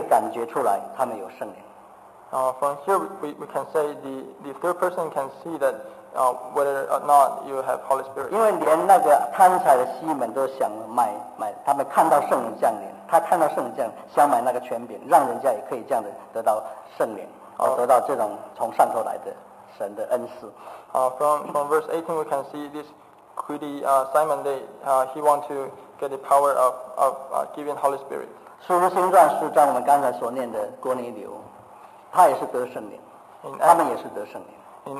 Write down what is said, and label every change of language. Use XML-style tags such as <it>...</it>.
<zh>所以说，这不是静态的一个存在，不是说我心里感觉有圣灵，那别人不要猜，也不要说。但是呢，我们可以看到彼得、约翰可以感觉出来他们有圣灵。</zh> <en>From here we can say the third person can see that. Whether or not you have Holy Spirit.</en> <zh>因为连那个贪财的西门都想买，他们看到圣灵降临，他看到圣灵降临，想买那个权柄，让人家也可以这样的得到圣灵，得到这种从上头来的神的恩赐。</zh> <en>From verse 18 we can see this greedy Simon, he want to get the power of giving Holy Spirit.</en> <zh>使徒行传四章我们刚才所念的哥尼流，他也是得圣灵，他们也是得圣灵。</zh> <en>In</en>